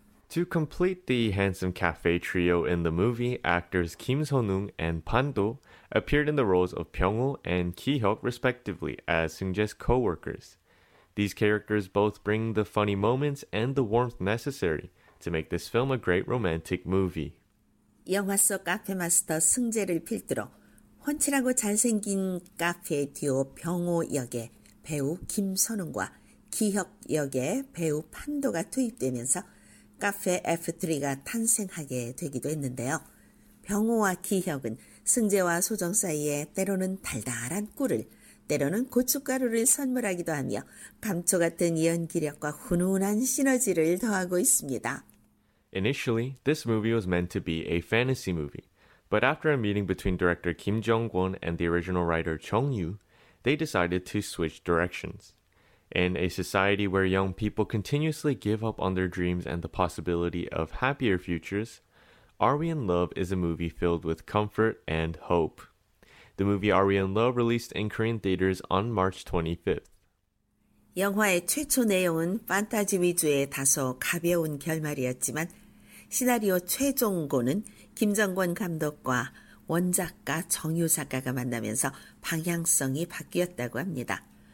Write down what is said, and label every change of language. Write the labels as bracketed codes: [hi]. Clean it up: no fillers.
[en] To complete the handsome cafe trio in the movie, actors Kim So-nung and Pan Do appeared in the roles of Pyeong-woo and Ki-hyuk respectively as Seung-jae's co-workers. These characters both bring the funny moments and the warmth necessary to make this film a great romantic movie. [ko] 영화 속 카페 마스터 승재를 필두로 훤칠하고 잘생긴 카페 듀오 병호 역의 배우 김선웅과 기혁 역의 배우 판도가 투입되면서 카페 F3가 탄생하게 되기도 했는데요. 병호와 기혁은 승재와 소정 사이에 때로는 달달한 꿀을, 때로는 고춧가루를 선물하기도 하며 감초 같은 연기력과 훈훈한 시너지를 더하고 있습니다. [en] Initially, this movie was meant to be a fantasy movie. But after a meeting between director Kim Jong-won and the original writer Chung Yu, they decided to switch directions. In a society where young people continuously give up on their dreams and the possibility of happier futures, Are We in Love is a movie filled with comfort and hope. The movie Are We in Love released in Korean theaters on March 25th. [ko] 영화의 최초 내용은 판타지 위주의 다소 가벼운 결말이었지만 시나리오 최종고는 김정권 감독과 원작가 정유 작가가 만나면서 방향성이 바뀌었다고 합니다.